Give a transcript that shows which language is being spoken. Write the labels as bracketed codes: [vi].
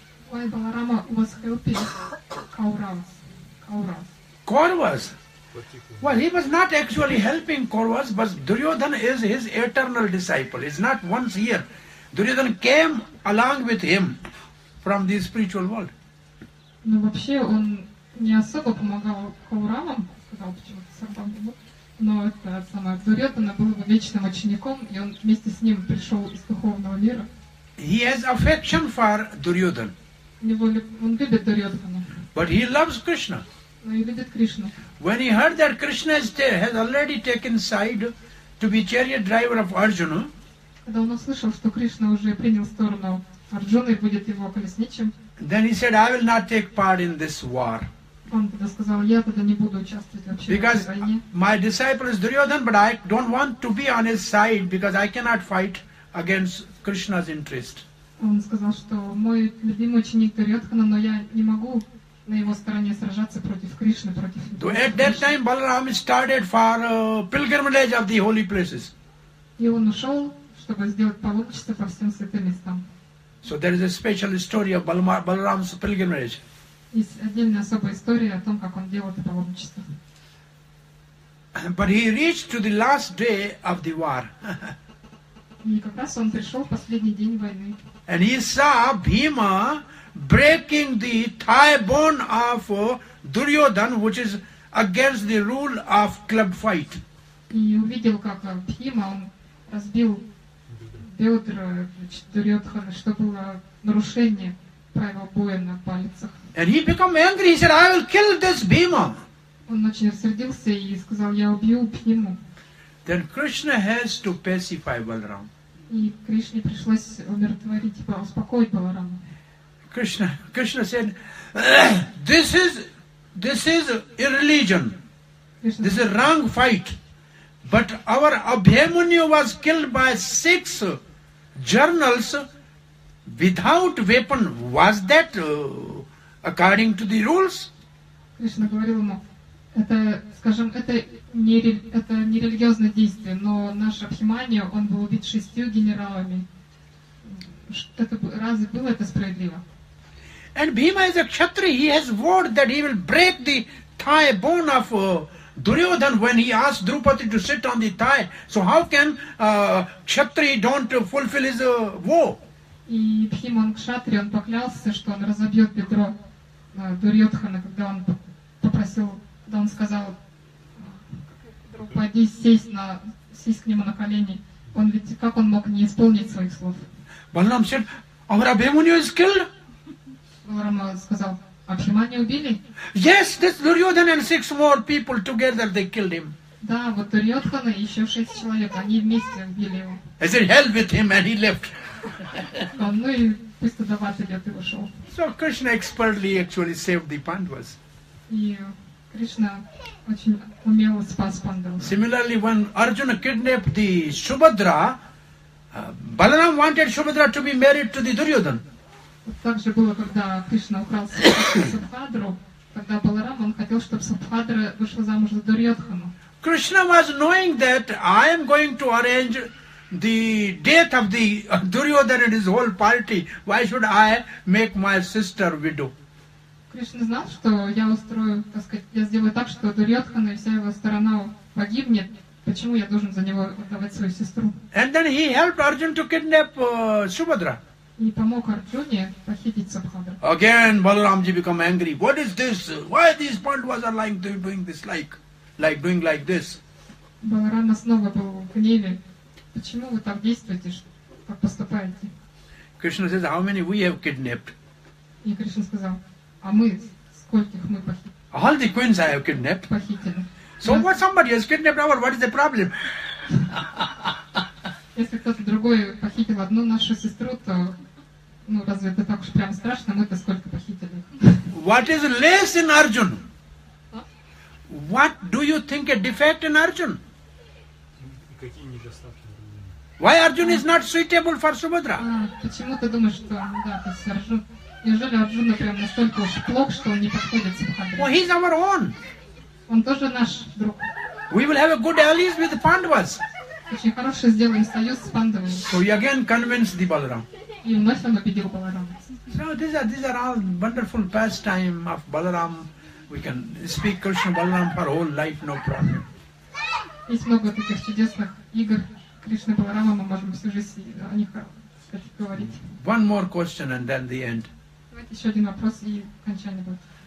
[en] Why Balarama was helping Kaurava? Kauravas? Well, he was not actually helping Kauravas, but Duryodhana is his eternal disciple. It's not once here. Duryodhana came along with him from the spiritual world. [ru] Но вообще он не особо помогал Кауравам, сказал почему-то Сарбандабу. Но это самое Дурьотана был его вечным учеником, и он вместе с ним пришел из духовного мира. [en] He has affection for Duryodhana. [ru] Он любит Дурьотана. [en] But he loves Krishna. [ru] Но и любит Кришну. [en] When he heard that Krishna has already taken side to be chariot driver of Arjuna. [ru] Когда он услышал, что Кришна уже принял сторону Арджуны и будет его колесничим. [en] Then he said, I will not take part in this war. [ru] Он тогда сказал, я тогда не буду участвовать вообще [en] because [ru] в этой войне. [en] Because my disciple is Duryodhana, but I don't want to be on his side because I cannot fight against Krishna's interest. [ru] Он сказал, что мой любимый ученик Дурьотхана, но я не могу на его стороне сражаться против Кришны, против него. [en] At that time Balaram started for pilgrimage of the holy places. [ru] И он ушел, чтобы сделать паломничество по всем святым местам. [en] So there is a special story of Balaram's pilgrimage. [ru] Есть отдельная особая история о том, как он делал это паломничество. [en] But he reached to the last day of the war. [ru] И как раз он пришел в последний день войны. [en] And he saw Bhima breaking the thigh bone of Duryodhana, which is against the rule of club fight. [ru] И увидел, как Bhima, он разбил утро, значит, Дурьотхана, что было нарушение правил боя на пальцах. [en] And he became angry. He said, "I will kill this Bhima." [ru] Он очень рассердился и сказал, я убью Бхиму. [en] Then Krishna has to pacify Balaram. [ru] И Кришне пришлось умиротворить, типа, успокоить Баларама. [en] Krishna said, this is irreligion. This is a wrong fight. But our Abhimanyu was killed by 6 journals without weapon. Was that according to the rules? [ru] Кришна говорил ему, это, скажем, это не религиозное действие, но наш Абхимания, он был убит 6 генералами. Это, разве было это справедливо? [en] And Bhima is a kshatri. He has word that he will break the thigh bone of Duryodhan when he asked Drupadi to sit on the thigh. So how can kshatri don't fulfill his vow? [ru] И Бхима, он кшатри, он поклялся, что он разобьет бедро Дурьотхана, когда он попросил, когда он сказал, пойди сесть к нему на колени. Он ведь, как он мог не исполнить своих слов? [en] Balaram said, our Abhimanyu is killed. [ru] Баларама сказал, Абхиманию убили? [en] Yes, this Duryodhan and 6 more people together, they killed him. [ru] Да, вот Дурьотхана и еще 6 человек, они вместе убили его. [en] I said, hell with him, and he left. [ru] Ну и пусть давать идет и ушел. [en] So Krishna expertly actually saved the Pandavas. [ru] Кришна очень умело спас Пандаву. [en] Similarly, when Arjuna kidnapped the Subhadra, Balaram wanted Subhadra to be married to the Duryodhan. [ru] Так же было, когда Кришна украл Субхадру, когда Баларам, он хотел, чтобы Субхадра вышла замуж за Дурьотхану. [en] Кришна was knowing that I am going to arrange the death of the Duryodhana and his whole party. Why should I make my sister widow? [ru] Кришна знал, что я устрою, так сказать, я сделаю так, что Дурьотхана и вся его сторона погибнет. Почему я должен за него отдавать свою сестру? [en] And then he helped Arjuna to kidnap Subhadra. [ru] И помог Арджуне похитить Субхадру. [en] Again, Balaramji become angry. What is this? Why these Pandavas are like doing this, doing like this? [ru] Баларама снова был в гневе. Почему вы так действуете, так поступаете? [en] Krishna says, how many we have kidnapped? [ru] И Кришна сказал, а мы, скольких мы похитили? [en] All the queens I have kidnapped. [ru] Похитили. [en] So what, somebody has kidnapped our, what is the problem? [ru] Если кто-то другой похитил одну нашу сестру, то ну разве это так уж прям страшно? Мы-то сколько похитили? [en] What is less in Arjun? What do you think a defect in Arjun? [ru] Какие недостатки? [en] Why Arjun is not suitable for Subhadra? [ru] Почему ты думаешь, что да, то есть Arjun? Неужели Арджуна прям настолько уж плох, что он не подходит Субхадре? [en] Well, he's our own. [ru] Он тоже наш друг. [en] We will have a good alliance with the Pandavas. [ru] Очень хороший сделаем союз с Пандавами. [en] So he again convinced the Balaram. [ru] И вновь он убедил Баларама. [en] So these are all wonderful pastime of Balaram. We can speak Krishna Balaram for whole life, no problem. [ru] Есть много таких чудесных игр Кришны Баларама, мы можем всю жизнь о них говорить. [en] One more question and then the end. [ru] Давайте еще один вопрос и окончание будет.